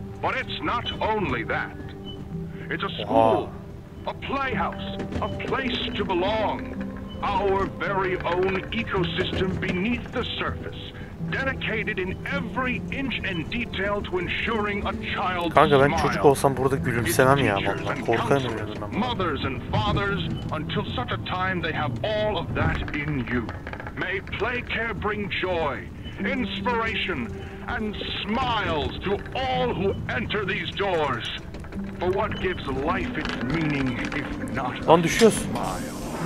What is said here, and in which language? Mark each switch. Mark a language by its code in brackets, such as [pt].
[en] But it's not only that. It's a school, a playhouse, a place to belong. Our very own ecosystem beneath the surface, dedicated in every inch and detail to ensuring a child's smile. [tr] Kanka ben çocuk olsam burada gülümsemem ya vallahi. Korkarım ya. [en] Mothers and fathers, until such a time they have all of that in you. May Playcare bring joy, inspiration, and smiles to all who enter these doors. For what gives life its meaning if not a smile?